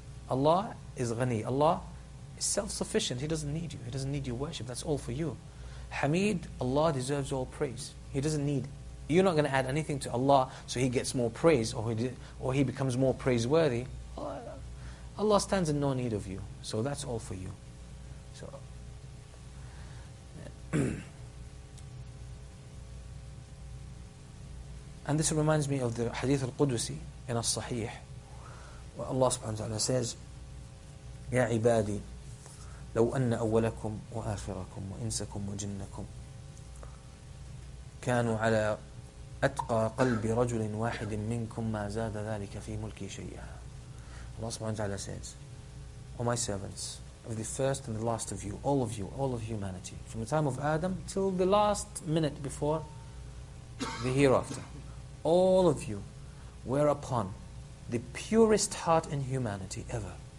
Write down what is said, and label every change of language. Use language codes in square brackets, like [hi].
[en] Allah is ghani. Allah is self-sufficient. He doesn't need you. He doesn't need your worship. That's all for you. Hamid, Allah deserves all praise. He doesn't need. You're not going to add anything to Allah so He gets more praise or He becomes more praiseworthy. Allah stands in no need of you. So that's all for you. So, and this reminds me of the Hadith al-Qudusi in al-Sahih, where Allah subhanahu wa ta'ala says, [ar] يَا عِبَادِي لَوْ أَنَّ أَوَّلَكُمْ وَآخِرَكُمْ وَإِنْسَكُمْ وَجِنَّكُمْ كَانُوا عَلَىٰ أَتْقَى قَلْبِ رَجُلٍ وَاحِدٍ مِّنْكُمْ مَا زَادَ ذَلِكَ فِي مُلْكِ شَيْئًا. [en] Allah subhanahu wa ta'ala says, O my servants, of the first and the last of you, all of you, all of humanity, from the time of Adam till the last minute before the hereafter, all of you were upon the purest heart in humanity ever.